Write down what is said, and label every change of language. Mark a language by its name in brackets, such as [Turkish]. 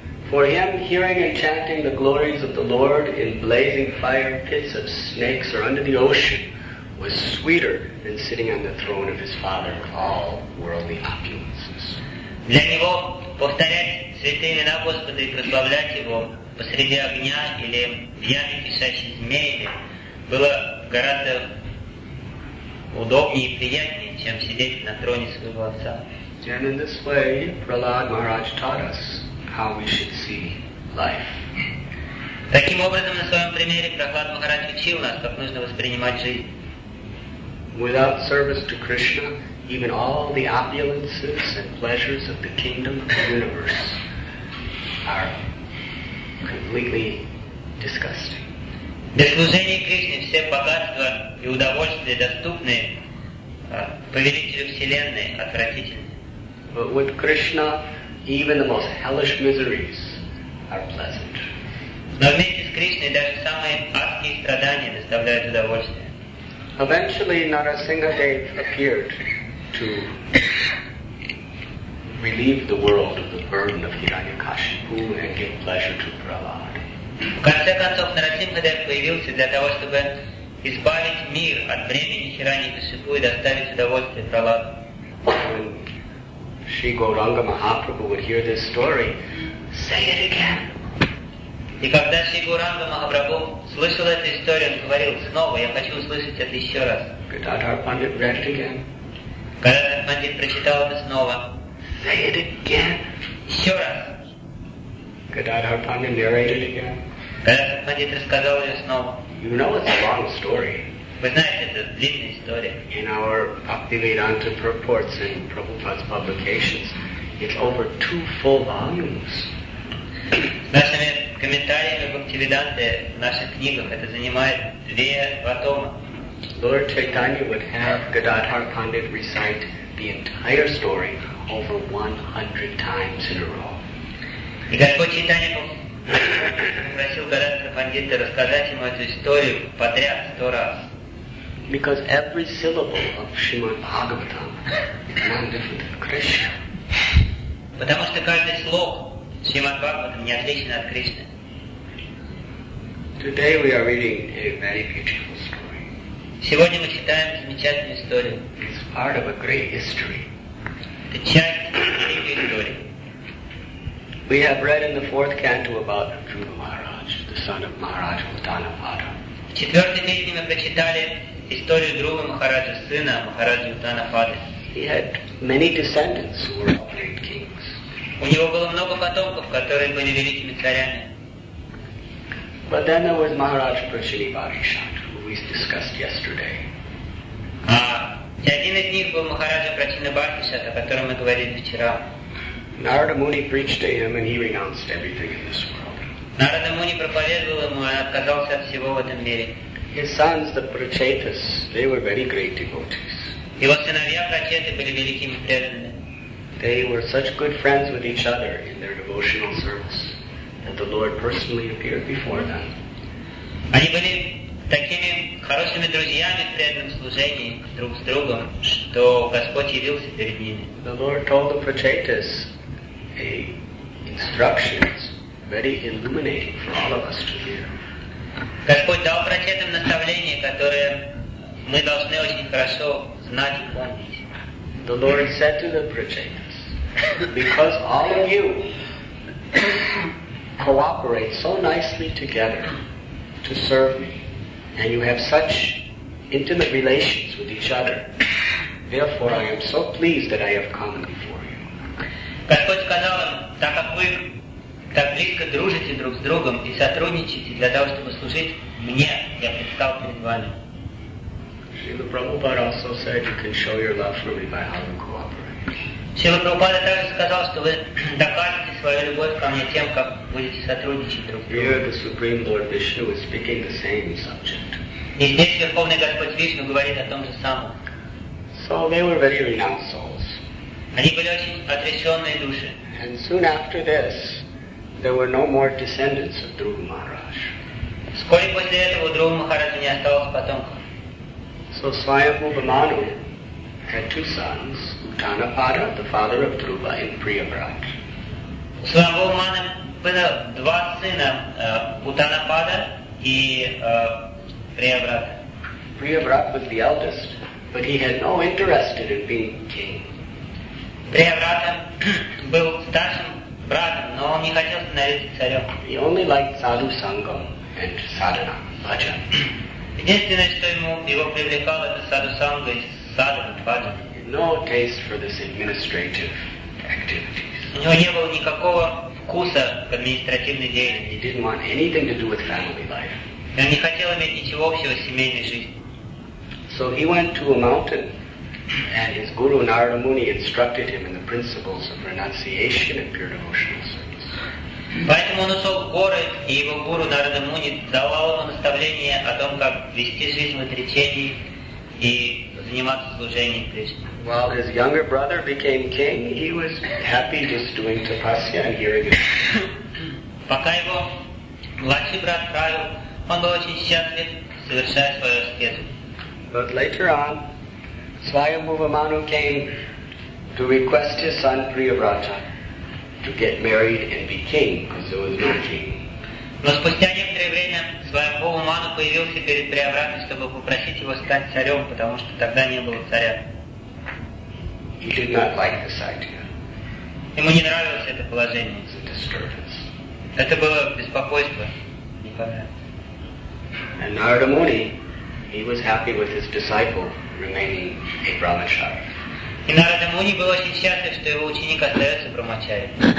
[English] For him, hearing and chanting the glories of the Lord in blazing fire pits of snakes or under the ocean, was sweeter than sitting on the throne of his father with all worldly opulences. [Russian] Для него повторять святые имена Господа и прославлять его посреди огня или в яме кишащей змеями было гораздо удобнее и приятнее, чем сидеть на троне своего отца. [English] And in this way, Prahlad Maharaj taught us how we should see life. [Russian] Таким образом, на своем примере Прохлад Махарадж учил нас, как нужно воспринимать жизнь. [English] Without service to Krishna, even all the opulences and pleasures of the kingdom of the universe are completely disgusting. [Russian] Для служения Кришне все богатства и удовольствия, доступные повелителю вселенной, отвратительны. [English] But with Krishna, even the most hellish miseries are pleasant. [Russian] Но вместе с Кришной даже самые адские страдания доставляют удовольствие. [English] Eventually, Narasingadev appeared to relieve the world of the burden of Hiranyakashipu and give pleasure to Prahlad. [Russian] В конце концов, Нарасингхадев появился для того, чтобы избавить мир от бремени Хираньякашипу и доставить удовольствие Прахладу. [English] When Sri Gauranga Mahaprabhu would hear this story, say it again. [Russian] И когда Шри Гауранга Махапрабху слышал эту историю, он говорил, снова, я хочу услышать это еще раз. [English] Gadadhar Pandit read it again. [Russian] Gadadhar Pandit прочитал это снова. [English] Say it again. [Russian] Еще раз. [English] Gadadhar Pandit narrated it again. [Russian] Gadadhar Pandit рассказал ее снова. [English] You know it's a long story. [Russian] Вы знаете, это длинная история. [English] In our Bhaktivedanta purports and Prabhupada's publications, it's over 2 full volumes. [Russian] Нашими комментариями Бхактивиданты в наших книгах это занимает 2 тома. [English] Lord Chaitanya would have Gadadhar Pandit recite the entire story over 100 times in a row. [Russian] И Господь Чайтанья попросил Гададхар Пандита рассказать ему эту историю подряд 100 раз. [English] Because every syllable of Srimad Bhagavatam is no different than Krishna. [Russian] Потому что каждый слог Шримад Бхагаватам не отличен от Кришны. [English] Today we are reading a very beautiful story. [Russian] Сегодня мы читаем замечательную историю. [English] It's part of a great history. [Russian] Это часть великой истории. [English] We have read in the fourth canto about Dhruva Maharaj, the son of Maharaj Uttanapada. [Russian] В четвертой песне мы прочитали историю Друвы Махараджа, сына Махараджи Уттанапады. [English] He had many descendants who were great kings. [Russian] У него было много потомков, которые были великими царями. [English] But then there was Maharaj Prashini Barishat, who we discussed yesterday. [Russian] И один из них был Махараджа Прачина Бхартишат, о котором мы говорили вчера. [English] Narada Muni preached to him and he renounced everything in this world. [Russian] Narada Muni проповедовал ему, и отказался от всего в этом мире. [English] His sons, the Prachetas, they were very great devotees. [Russian] Его сыновья Прачеты были великими преданными. [English] They were such good friends with each other in their devotional service that the Lord personally appeared before them. [Russian] Они были такими хорошими друзьями в преданном служении друг с другом, что Господь явился перед ними. [English] The Lord told the Prachetas a instructions very illuminating for all of us to hear. [Russian] Господь дал Прачетам наставление, которое мы должны очень хорошо знать и помнить. [English] The Lord said to the Prachetas, because all of you cooperate so nicely together to serve me, and you have such intimate relations with each other, therefore I am so pleased that I have come before you. [Russian] Господь сказал им, так как вы так близко дружите друг с другом и сотрудничаете для того, чтобы служить мне, я предстал перед вами. [English] Srila Prabhupada also said you can show your love for me by how you cooperate. [Russian] Srila Prabhupada также сказал, что вы докажете свою любовь ко мне тем, как будете сотрудничать друг с другом. [English] Here the Supreme Lord Vishnu is speaking the same subject. [Russian] И здесь Верховный Господь Вишну говорит о том же самом. [English] So they were very renounced souls. [Russian] Они были очень отрешенные души. [English] And soon after this, there were no more descendants of Dhruva Maharaj. [Russian] Вскоре после этого у Друвы Махараджа не осталось потомков. [English] So Swayambhuva Manu had two sons, Uttanapada, the father of Dhruva, and Priyavrat. [Russian] Swayambhuva Manu было два сына, Uttanapada и Priyavrat. [English] Priyavrat was the eldest, but he had no interest in being king. [Russian] Priyavrat был старшим братом, но он не хотел становиться царем. [English] He only liked sadhu sangam and sadhana, bhajan. [Russian] Единственное, что ему его привлекало, это садху-санга и садху-бхаджан. [English] No taste for this administrative activities. [Russian] У него не было никакого вкуса к административной деятельности. [English] He didn't want anything to do with family life. [Russian] И он не хотел иметь ничего общего с семейной жизнью. [English] So he went to a mountain, and his guru Narada Muni instructed him in the principles of renunciation and pure devotional service. [Russian] Поэтому он ушел в горы, и его гуру Нарада Муни давал ему наставление о том, как вести жизнь в отречении и заниматься служением Кришне. [English] While his younger brother became king, he was happy just doing tapasya and hearing it. [Russian] Пока его младший брат правил, он был очень счастлив, совершая свою аскезу. [English] But later on, Swayambhuva Manu came to request his son Priyavrata to get married and be king, because there was no king. [Russian] Но спустя некоторое время Свайамбхува Ману появился перед Приявратой, чтобы попросить его стать царем, потому что тогда не было царя. [English] He did not like this idea. [Russian] Ему не нравилось это положение. [English] It's a disturbance. [Russian] Это было беспокойство. Не понравилось. [English] And Narada Muni, he was happy with his disciple remaining a brahmachari. [Russian] И Нарада Муни был очень счастлив, что его ученик остается брахмачари.